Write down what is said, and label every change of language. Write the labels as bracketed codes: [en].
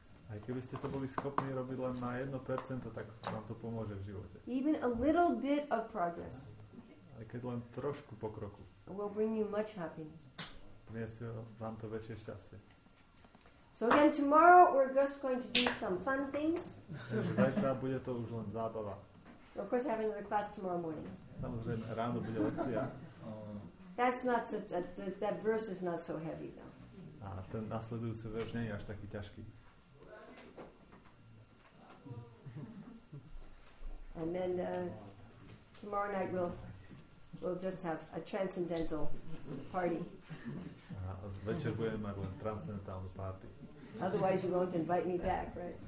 [sk] Aj keby ste to boli schopní robiť len na 1%, tak vám to pomôže v živote. [en] Even a little bit of progress. [sk] Aj keď len trošku pokroku. [en] Will bring you much happiness. [sk] Priniesie vám to väčšie šťastie. [en] So again, tomorrow we're just going to do some fun things. [sk] Zajtra bude to už len zábava. [en] So of course, I have another class tomorrow morning. [sk] Samozrejme, ráno bude lekcia. [en] That's not such a, that verse is not so heavy though. [sk] A ten nasledujúci verš nie je až taký ťažký. [en] And then tomorrow night we'll just have a transcendental party. [sk] A večer budeme mať len transcendentálnu party. [en] Otherwise you won't invite me back, right?